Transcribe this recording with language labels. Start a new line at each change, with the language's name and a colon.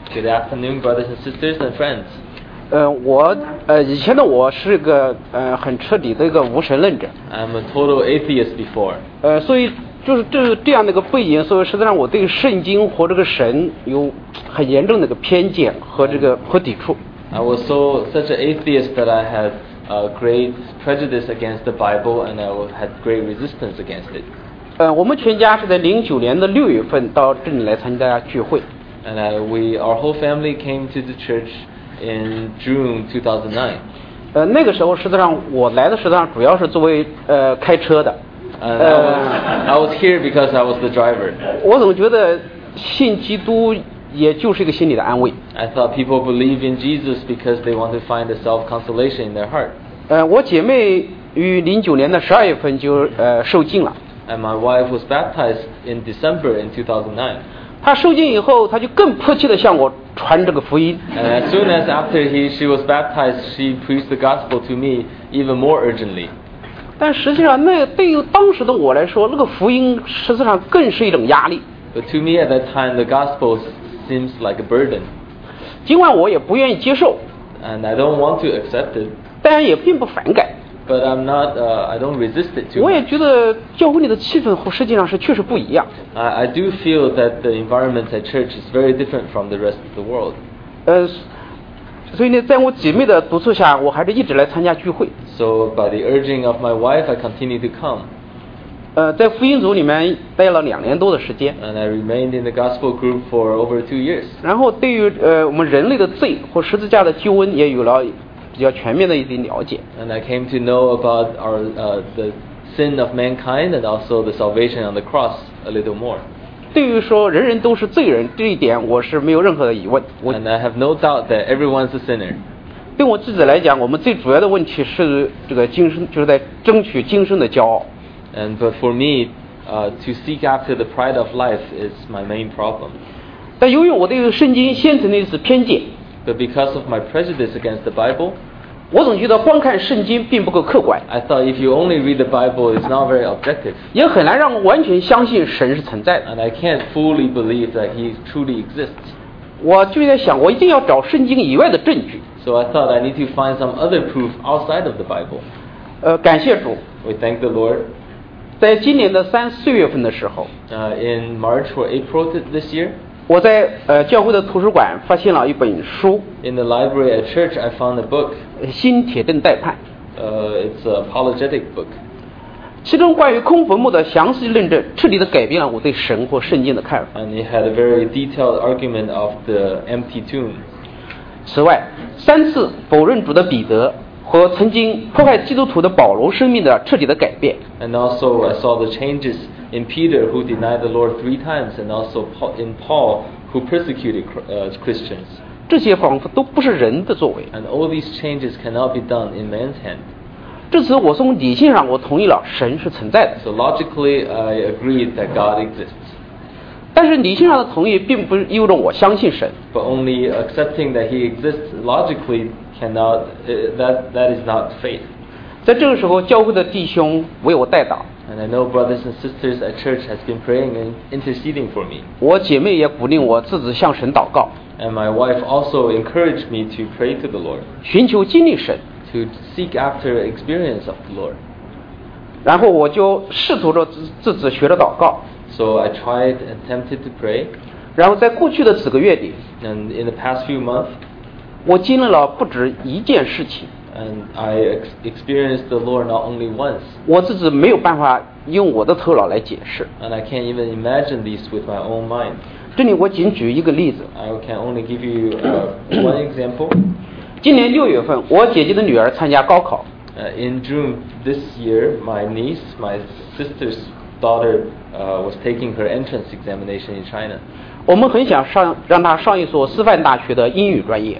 English: Good afternoon, brothers and sisters and friends.
Chinese: 以前的我是个很彻底的一个无神论者。
English: I'm a total atheist before.
Chinese: 所以就是这样的一个背景，所以实际上我对圣经和这个神有很严重的一个偏见和这个和抵触。
English: I was such an atheist that I had a great prejudice against the Bible, and I had great resistance against it.
Chinese: 我们全家是在2009年的六月份到镇里来参加聚会。
English: And our whole family came to the church in June 2009.
Chinese: 那个时候实际上我来的实际上主要是作为开车的。
English: I was here because I was the driver.
Chinese: 我总觉得信基督也就是一个心理的安慰。
English: I thought people believe in Jesus because they want to find a self consolation in their heart.
Chinese: 我姐妹于2009年的12月份就受浸了。
English: And my wife was baptized in December in 2009.
Chinese: 她受浸以后，她就更迫切地向我传这个福音。
English: And as soon as after she was baptized, she preached the gospel to me even more urgently.
Chinese: 但实际上，那对于当时的我来说，那个福音实际上更是一种压力。
English: But to me at that time, the gospel seems like a burden.
Chinese: 尽管我也不愿意接受。
English: And I don't want to accept it.
Chinese: 但也并不反感。
English: But I'm not. I don't resist it too much.
Chinese: 我也觉得教会里的气氛和实际上是确实不一样。
English: I do feel that the environment at church is very different from the rest of the world.
Chinese: 所以呢，在我姐妹的督促下，我还是一直来参加聚会。
English: So by the urging of my wife, I continue to come.
Chinese: 在福音组里面待了2年多的时间。
English: And I remained in the gospel group for over 2 years.
Chinese: 然后对于我们人类的罪或十字架的救恩也有了比较全面的一点了解。
English: And I came to know about the sin of mankind and also the salvation on the cross a little more.
Chinese: 对于说人人都是罪人这一点我是没有任何的疑问。
English: And I have no doubt that everyone's a sinner.
Chinese: 对我自己来讲，我们最主要的问题是这个今生，就是在争取今生的骄傲。
English: And but for me, to seek after the pride of life is my main problem.
Chinese: 但由于我对于圣经先前的一次偏见。
English: But because of my prejudice against the Bible,
Chinese: 我总觉得观看圣经并不够客观。
English: I thought if you only read the Bible, it's not very objective.
Chinese: 也很难让我完全相信神是存在的。
English: And I can't fully believe that he truly exists.
Chinese: 我就在想，我一定要找圣经以外的证据。
English: So I thought I need to find some other proof outside of the Bible.
Chinese: 感谢主。
English: We thank the Lord.
Chinese: 在今年的三四月份的时候。
English: In March or April this year.
Chinese: 我在教会的图书馆发现了一本书。
English: In the library at church, I found a book.
Chinese: 新铁证代判。
English: It's an apologetic book.
Chinese: 其中关于空坟墓的详细论证，彻底的改变了我对神或圣经的看法。
English: And it had a very detailed argument of the empty tomb.
Chinese: 此外，三次否认主的彼得和曾经迫害基督徒的保罗生命的彻底的改变。
English: And also, I saw the changes. In Peter, who denied the Lord three times, and also in Paul, who persecuted Christians.
Chinese: 这些仿佛都不是人的作为。
English: And all these changes cannot be done in man's hand.
Chinese: 至此，我从理性上我同意了神是存在的。
English: So logically, I agreed that God exists.
Chinese: 但是理性上的同意并不意味着我相信神。
English: But only accepting that he exists logically cannot, that is not faith.
Chinese: 在这个时候，教会的弟兄为我代祷。
English: And I know brothers and sisters at church has been praying and interceding for me.
Chinese: 我姐妹也鼓励我自己向神祷告。
English: And my wife also encouraged me to pray to the Lord.
Chinese: 寻求经历神。
English: To seek after experience of the Lord.
Chinese: 然后我就试图着自己学着祷告。
English: So I tried and attempted to pray.
Chinese: 然后在过去的几个月里。
English: And in the past few months.
Chinese: 我经历了不止一件事情。
English: And I experienced the Lord not only once.
Chinese: 我自己没有办法用我的头脑来解释。
English: And I can't even imagine this with my own mind.
Chinese: 这里我仅举一个例子。
English: I can only give you one example.
Chinese: 今年六月份，我姐姐的女儿参加高考。
English: In June this year, my niece, my sister's daughter, was taking her entrance examination in China.
Chinese: 我们很想上让他上一所师范大学的英语专业。